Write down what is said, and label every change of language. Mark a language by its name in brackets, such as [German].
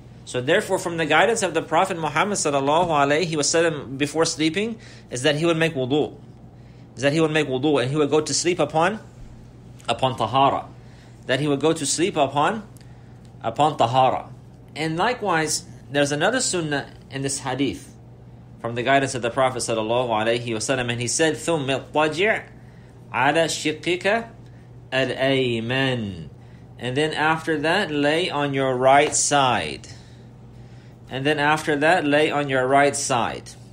[English] So therefore, from the guidance of the Prophet Muhammad sallallahu alayhi wa sallam before sleeping, is that he would make wudu. Is that he would make wudu and he would go to sleep upon tahara. That he would go to sleep upon tahara. And likewise, there's another sunnah in this hadith from the guidance of the Prophet sallallahu alayhi wa sallam. And he said, [Arabic] ثُمِّ اطَّجِعْ عَلَى شِقِّكَ الْأَيْمَنِ. [English] And then after that, lay on your right side. And then after that, lay on your right side.